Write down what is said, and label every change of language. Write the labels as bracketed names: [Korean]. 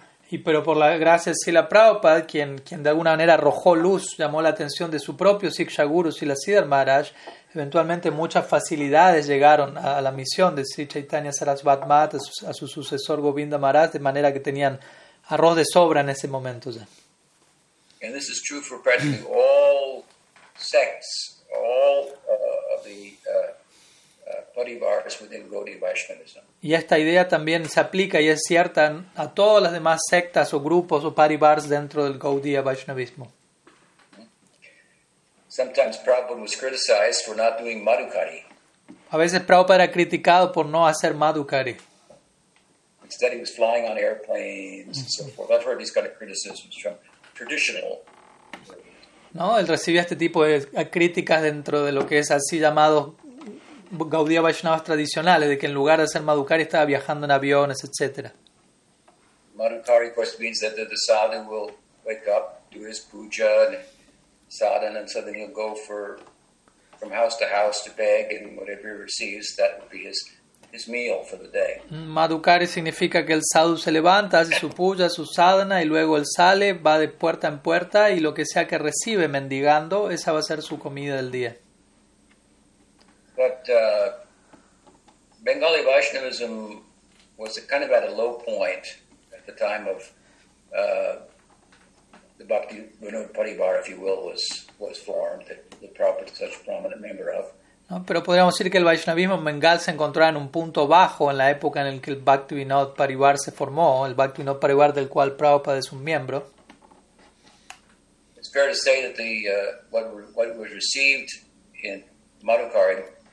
[Spanish] Y pero por la gracia de Srila Prabhupada, quien de alguna manera arrojó luz, llamó la atención de su propio Siksha Guru, Srila Siddhar Maharaj, eventualmente muchas facilidades llegaron a la misión de Sri Chaitanya Sarasvat Mat, a su sucesor Govinda Maharaj, de manera que tenían arroz de sobra en ese momento ya. [English] And this is true for practically all sects, all of the parivars within Gaudiya Vaishnavism. [Spanish] Y esta idea también se aplica y es cierta a todas las demás sectas o grupos o parivars dentro del Gaudiya Vaishnavismo. [English] Sometimes Prabhupada was criticized for not doing Madhukari. [Spanish] A veces Prabhupada era criticado por no hacer Madhukari. [English] Instead he was flying on airplanes and so forth. I've heard these kind of criticisms from traditional. [Spanish] No, él recibía este tipo de críticas dentro de lo que es así llamado Gaudiya Vaishnavas tradicionales, de que en lugar de hacer Madhukari estaba viajando en aviones, etc. [English] Madhukari, of course, means that the sadhana will wake up, do his puja, and sadhana, and so then he'll go from house to beg, and whatever he receives, that would be his meal for the day. [Spanish] Madhukari significa que el sadhu se levanta, hace su puya, su sadhana, y luego él sale, va de puerta en puerta, y lo que sea que recibe mendigando, esa va a ser su comida del día. [English] But Bengali Vaishnavism was kind of at a low point at the time of the Bhakti Vinod Parivar, if you will, was formed, that the Prabhupada is such a prominent member of. [Spanish] No, pero podríamos decir que el Vaishnavismo en Bengal se encontraba en un punto bajo en la época en la que el Bhakti Vinod Parivar se formó, el Bhakti Vinod Parivar del cual Prabhupada es un miembro. [English] It's fair to say that what was received in Madhukari